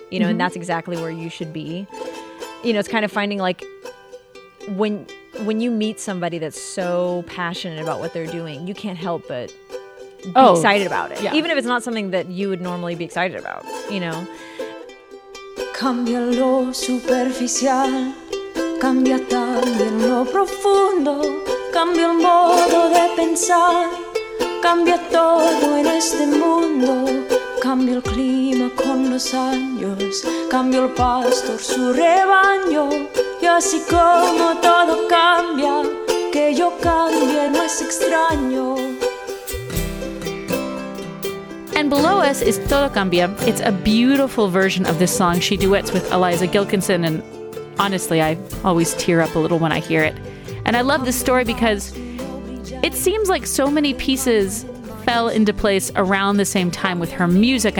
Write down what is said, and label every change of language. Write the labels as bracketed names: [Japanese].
[English] You know, and that's exactly where you should be. You know, it's kind of finding, like, when you meet somebody that's so passionate about what they're doing, you can't help but be excited about it. Yeah. Even if it's not something that you would normally be excited about, you know? [Spanish] Cambia lo superficial, cambia también lo profundo, cambia el modo de pensar, cambia todo en este mundo, cambia el clima con los años, cambia el pastor su rebaño. Y así como todo cambia, que yo cambie no es extraño. [English] And below us is Todo Cambia. It's a beautiful version of this song she duets with Eliza Gilkinson, and honestly, I always tear up a little when I hear it. And I love this story because it seems like so many pieces fell into place around the same time with her music.